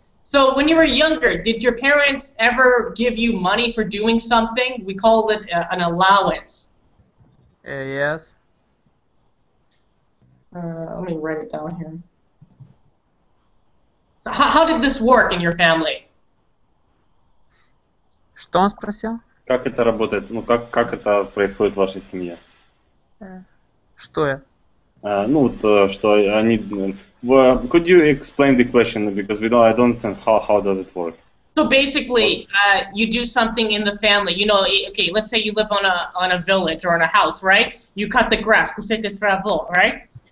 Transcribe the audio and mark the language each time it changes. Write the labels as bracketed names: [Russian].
[English] So when you were younger, did your parents ever give you money for doing something? We call it an allowance. Yes. Let me write it down here. So how did this work in your family? [Russian] Что он спросил? Как это работает? Ну как это происходит в вашей семье? Что я? Ну то, что они. [English] Could you explain the question, because I don't understand how does it work? So basically, you do something in the family. You know, okay. Let's say you live on a village or in a house, right? You cut the grass, [French] coupe de travaux, [English] right?